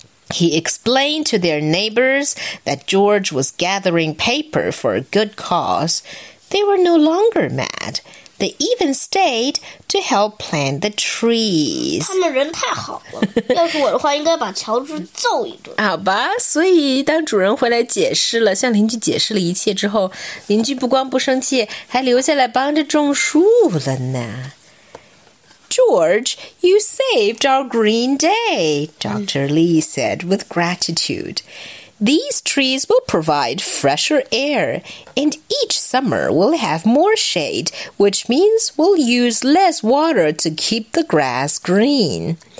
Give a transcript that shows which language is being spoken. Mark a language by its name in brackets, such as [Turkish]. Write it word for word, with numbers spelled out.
[English] He explained to their neighbors that George was gathering paper for a good cause. They were no longer mad. They even stayed to help plant the trees. [Chinese] 他们人太好了，要是我的话，应该把乔治揍一顿。好吧，所以当主人回来解释了，向邻居解释了一切之后，邻居不光不生气，还留下来帮着种树了呢。 [English] George, you saved our green day, Doctor Lee said with gratitude. These trees will provide fresher air, and each summer we'll have more shade, which means we'll use less water to keep the grass green.